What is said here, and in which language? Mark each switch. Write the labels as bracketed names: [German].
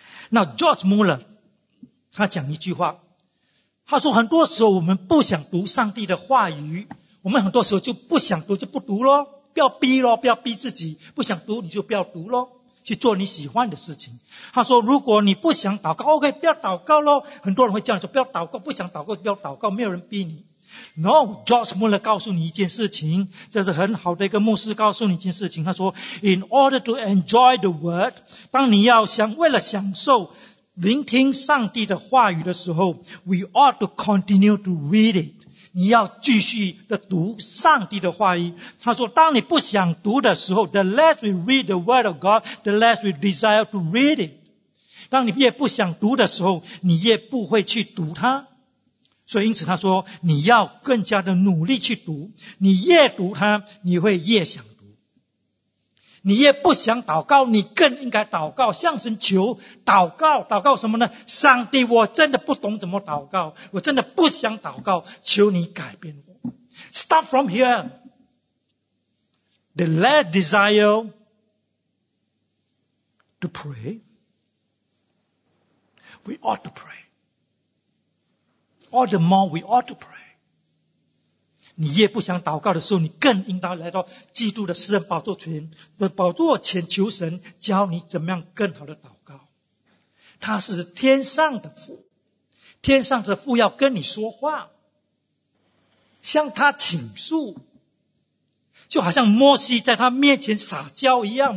[Chinese] 那 George Mueller 他讲一句话，他说很多时候我们不想读上帝的话语，我们很多时候就不想读，就不读咯，不要逼咯，不要逼自己，不想读你就不要读咯，去做你喜欢的事情。他说如果你不想祷告， OK， 不要祷告咯，很多人会叫你说不要祷告，不想祷告就不要祷告，没有人逼你。 No, George Mueller 告诉你一件事情，这是很好的一个牧师告诉你一件事情。 [English] 他说 ,In order to enjoy the word, [Chinese] 当你要想为了享受聆听上帝的话语的时候 [English] ,we ought to continue to read it. [Chinese] 你要继续的读上帝的话语。他说当你不想读的时候 [English] ,the less we read the word of God, the less we desire to read it. [Chinese] 当你越不想读的时候你越不会去读它。所以因此他说你要更加的努力去读，你越读它你会越想读，你越不想祷告你更应该祷告，向神求祷告。祷告什么呢？上帝，我真的不懂怎么祷告，我真的不想祷告，求你改变我。 [English] Start from here. The less desire to pray, we ought to prayAll the more we ought to pray. [Chinese] 你越不想祷告的时候，你更应当来到基督的施恩宝座前，的宝座前求神教你怎么样更好的祷告。他是天上的父，天上的父要跟你说话，向他倾诉，就好像摩西在他面前撒娇一样。